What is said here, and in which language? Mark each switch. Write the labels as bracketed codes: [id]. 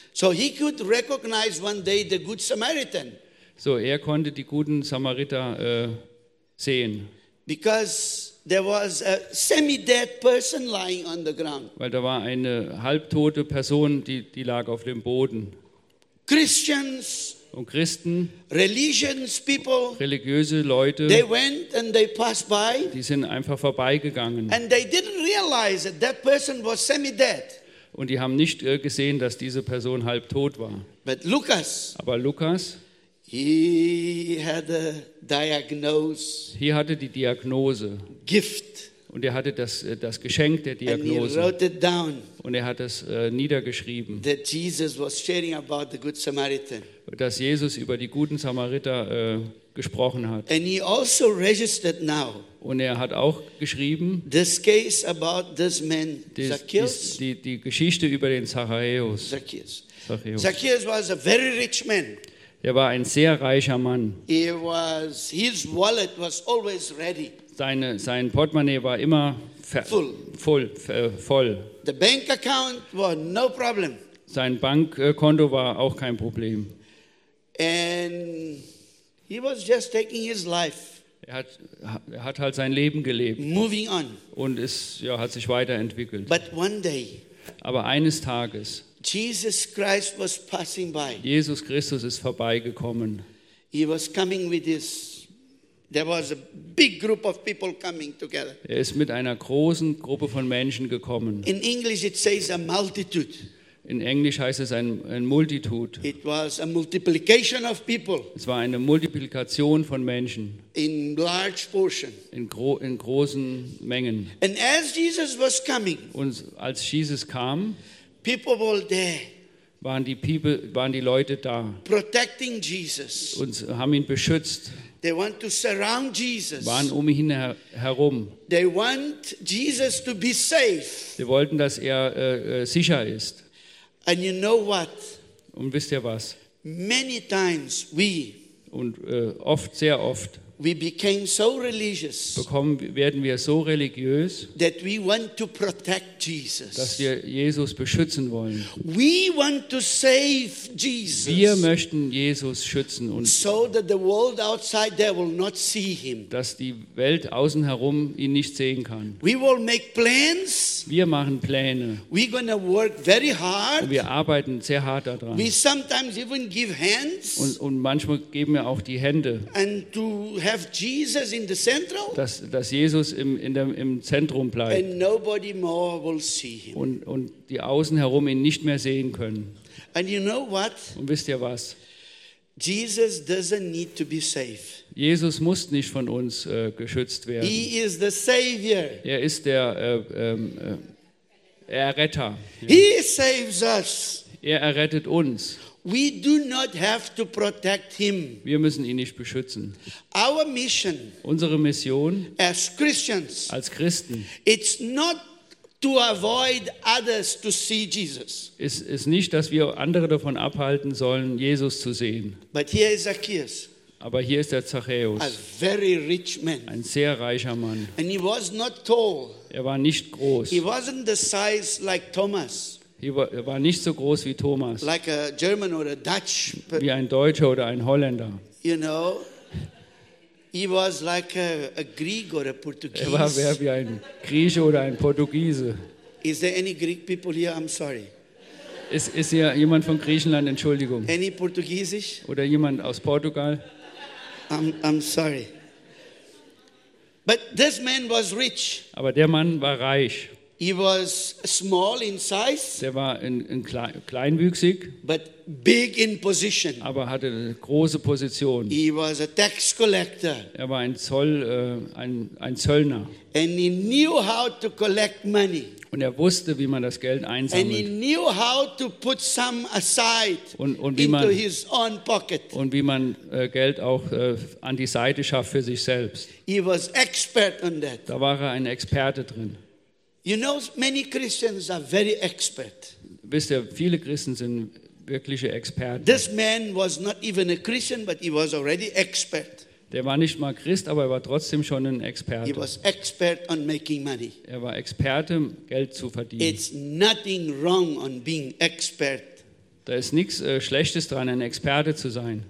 [en] So he could recognize one day the good Samaritan. [de] So er konnte die guten Samariter sehen. [en] Because there was a semi-dead person lying on the ground. [de] Weil da war eine halbtote Person, die lag auf dem Boden. [en] Christians. [de] Und Christen. [en] Religions people. [de] Religiöse Leute. [en] They went and they passed by. [de] Die sind einfach vorbeigegangen. [en] And they didn't realize that that person was semi-dead. [de] Und die haben nicht gesehen, dass diese Person halb tot war. [en] But Lucas, [de] aber Lukas, [en] he had a diagnose, he [de] hatte die Diagnose. [en] Gift. [de] Und er hatte das Geschenk der Diagnose. [en] And he wrote it down, [de] und er hat es niedergeschrieben. [en] That Jesus was sharing about the good Samaritan. [de] Dass Jesus über die guten Samariter gesprochen hat. [en] And he also registered now, [de] und er hat auch geschrieben, [en] this case about this man, Zacchaeus. [de] Die Geschichte über den Zachäus. Zacchaeus war ein sehr reicher Mann. Er war ein sehr reicher Mann. [en] His wallet was always ready. [de] Sein Portemonnaie war immer voll. [en] The bank account was no problem. [de] Sein Bankkonto war auch kein Problem. [en] And he was just taking his life. [de] Er hat halt sein Leben gelebt. [en] Moving on. [de] Und es hat sich weiterentwickelt. [en] But one day, [de] aber eines Tages, [en] Jesus Christ was passing by. [de] Jesus Christus ist vorbeigekommen. [en] He was coming with his. There was a big group of people coming together. [de] Er ist mit einer großen Gruppe von Menschen gekommen. [en] In English it says a multitude. [de] In Englisch heißt es ein Multitude. [en] It was a multiplication of people. [de] Es war eine Multiplikation von Menschen. [en] In large portion. [de] In großen Mengen. [en] And as Jesus was coming. [de] Und als Jesus kam. [en] People were there, [de] waren die Leute da, [en] protecting Jesus, [de] und haben ihn beschützt. [en] They want to surround Jesus, [de] waren um ihn herum. [en] They want Jesus to be safe. [de] Sie wollten, dass er sicher ist. [en] And you know what? [de] Und wisst ihr was? [en] Many times we, [de] und oft, sehr oft, [en] we became so religious, [de] werden wir so religiös, [en] that we want to protect Jesus. [de] Dass wir Jesus beschützen wollen. [en] We want to save Jesus. [de] Wir möchten Jesus schützen und [en] so that the world outside there will not see him. [de] Dass die Welt außen herum ihn nicht sehen kann. [en] We will make plans. [de] Wir machen Pläne. [en] We're gonna work very hard. [de] Und wir arbeiten sehr hart daran. [en] We sometimes even give hands. [de] Und manchmal geben wir auch die Hände. [en] And to have Jesus in the central, [de] dass Jesus im Zentrum bleibt. [en] And nobody more will see him. [de] Und die Außen herum ihn nicht mehr sehen können. [en] And you know what? [de] Und wisst ihr was? [en] Jesus doesn't need to be safe. [de] Jesus muss nicht von uns geschützt werden. [en] He is the savior. [de] Er ist der Erretter. [en] He saves us. [de] Er errettet uns. [en] We do not have to protect him. [de] Wir müssen ihn nicht beschützen. [en] Our mission, [de] unsere Mission [en] as Christians, [de] als Christen, [en] it's not to avoid others to see Jesus. [de] Es ist nicht, dass wir andere davon abhalten sollen, Jesus zu sehen. [en] But here is Zacchaeus. [de] Aber hier ist der Zachäus. [en] A very rich man. [de] Ein sehr reicher Mann. [en] And he was not tall. [de] Er war nicht groß. [en] He wasn't the size like Thomas. [de] Er war nicht so groß wie Thomas. [en] Like a German or a Dutch, [de] wie ein Deutscher oder ein Holländer. [en] You know, he was like a Greek or a Portuguese. [de] Er war wie ein Grieche oder ein Portugiese. [en] Is there any Greek people here? I'm sorry. [de] Ist hier jemand von Griechenland? Entschuldigung. [en] Any [de] Portugiesisch? Oder jemand aus Portugal? [en] I'm sorry. But this man was rich. [de] Aber der Mann war reich. [en] He was small in size. [de] Der war kleinwüchsig. [en] But big in position. [de] Aber hatte eine große Position. [en] He was a tax collector. [de] Er war ein Zöllner. [en] And he knew how to collect money. [de] Und er wusste, wie man das Geld einsammelt. [en] And he knew how to put some aside into his own pocket. [de] Und wie man Geld auch an die Seite schafft für sich selbst. [en] He was expert on that. [de] Da war er ein Experte drin. [en] You know, many Christians are very expert. [de] Wisst ihr, viele Christen sind wirkliche Experten. [en] This man was not even a Christian, but he was already expert. [de] Der war nicht mal Christ, aber er war trotzdem schon ein Experte. [en] He was expert on making money. [de] Er war Experte, Geld zu verdienen. [en] It's nothing wrong on being expert. [de] Da ist nichts Schlechtes dran, ein Experte zu sein.